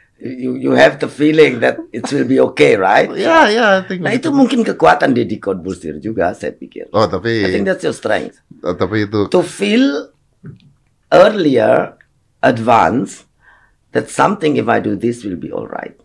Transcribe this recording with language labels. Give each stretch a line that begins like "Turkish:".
English: You have the feeling that it will be okay, right? Yeah, I think.
Indonesian: Nah itu mungkin kekuatan Didi Corbusier juga, saya pikir. Oh tapi
English: I think that's your strength.
Indonesian: Tapi itu
English: to feel earlier advance that something if I do this will be all right.